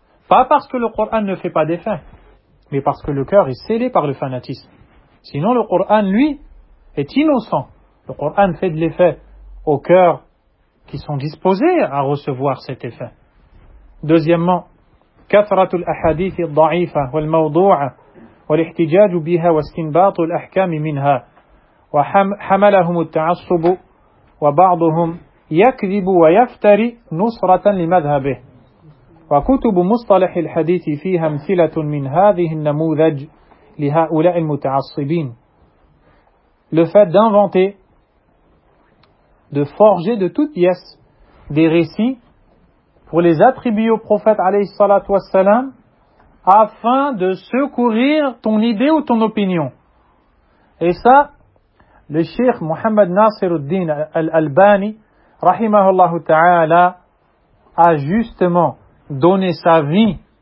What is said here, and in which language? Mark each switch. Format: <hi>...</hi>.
<fr>Pas parce que le Coran ne fait pas d'effet, mais parce que le cœur est scellé par le fanatisme. Sinon, le Coran, lui, est innocent. Le Coran fait de l'effet aux cœurs qui sont disposés à recevoir cet effet.</fr> <ar>Deuxièmement, kathratul ahadith al-da'ifa wal-mawdu'a. والاحتجاج بها واستنباط الأحكام منها وحملهم التعصب وبعضهم يكذب ويفتري نصرة لمذهبه وكتب مصطلح الحديث فيها أمثلة من هذه النموذج لهؤلاء المتعصبين.</ar> <fr>Le fait d'inventer, de forger de toutes pièces des récits pour les attribuer au prophète</fr> <ar>عليه الصلاة والسلام</ar> <fr>afin de secourir ton idée ou ton opinion. Et ça, le Cheikh Mohamed Nasiruddin Al-Albani, rahimahullah ta'ala, a justement donné sa vie</fr>